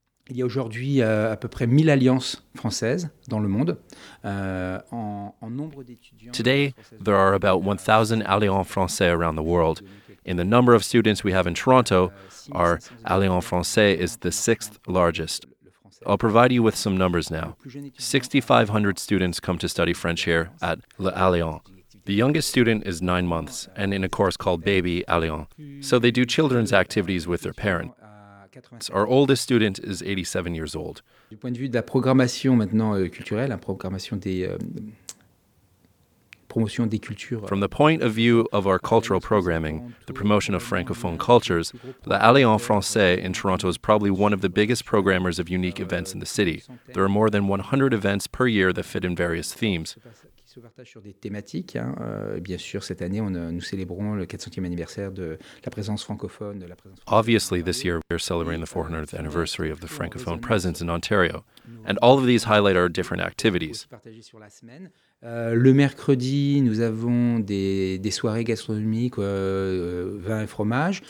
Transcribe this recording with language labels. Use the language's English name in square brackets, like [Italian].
[French] Il y a aujourd'hui à peu près 1000 alliances françaises dans le monde. En nombre d'étudiants. [English] Today, there are about 1,000 alliances françaises around the world. In the number of students we have in Toronto, our alliance française is the sixth largest. I'll provide you with some numbers now. 6,500 students come to study French here at l'Alliance. The youngest student is 9 months and in a course called Baby Alliance. So they do children's activities with their parent. Our oldest student is 87 years old. [French] Du point de vue de la programmation maintenant culturelle, la programmation des promotion des cultures. [English] From the point of view of our cultural programming, the promotion of francophone cultures, the Alliance Française in Toronto is probably one of the biggest programmers of unique events in the city. There are more than 100 events per year that fit in various themes. [French] Sur des thématiques. Bien sûr, cette année, nous célébrons le 400e anniversaire de la présence francophone. [English] Obviously, this year we are celebrating the 400th anniversary of the francophone presence in Ontario. And all of these highlight our different activities. [French] Le mercredi, nous avons des soirées gastronomiques, vin et fromage.